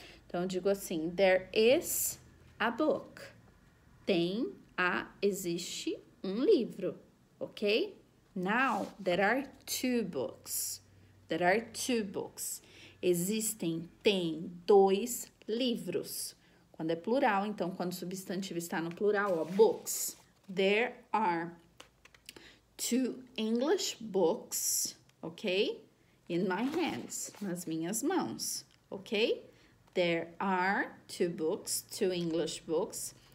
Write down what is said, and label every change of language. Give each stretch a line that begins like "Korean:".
Portuguese: Então, eu digo assim,
English: there is a book.
Portuguese: Tem a, existe um livro, ok?
English: Now, there are two books. There are two books.
Portuguese: Existem, tem dois livros. Quando é plural, então, quando o substantivo está no plural, ó, books.
English: There are two English books, ok? In my hands,
Portuguese: nas minhas mãos,
English: ok? There are two books, two English books.